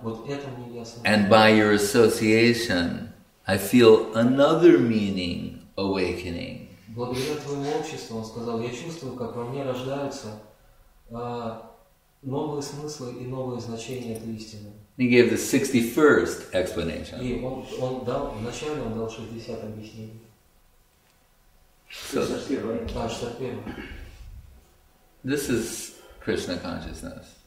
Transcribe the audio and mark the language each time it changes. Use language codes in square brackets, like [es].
[ru] Вот это мне ясно. [en] And by your association, I feel another meaning awakening. [ru] Благодаря твоему обществу, он сказал, я чувствую, как во мне рождаются новые смыслы и новые значения этой истины. [en] He gave the 61st explanation. [ru] И он дал, вначале он дал 60 объяснений. [en] 61. This is Krishna consciousness.